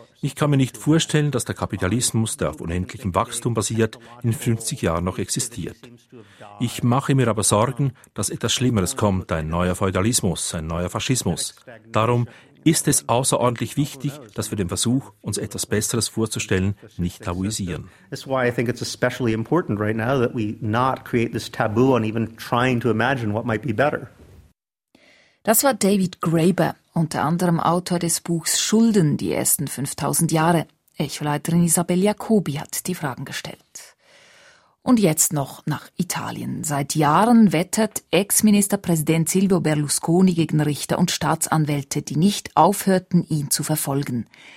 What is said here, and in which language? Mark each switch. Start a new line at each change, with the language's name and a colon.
German: Ich kann mir nicht vorstellen, dass der Kapitalismus, der auf unendlichem Wachstum basiert, in 50 Jahren noch existiert. Ich mache mir aber Sorgen, dass etwas Schlimmeres kommt, ein neuer Feudalismus, ein neuer Faschismus. Darum ist es außerordentlich wichtig, dass wir den Versuch, uns etwas Besseres vorzustellen, nicht tabuisieren.
English: That's why I think it's especially important right now that we not create this taboo on even trying to imagine what might be better.
German: Das war David Graeber, unter anderem Autor des Buchs Schulden, die ersten 5000 Jahre. Echoleiterin Isabel Jacobi hat die Fragen gestellt. Und jetzt noch nach Italien. Seit Jahren wettert Ex-Ministerpräsident Silvio Berlusconi gegen Richter und Staatsanwälte, die nicht aufhörten, ihn zu verfolgen.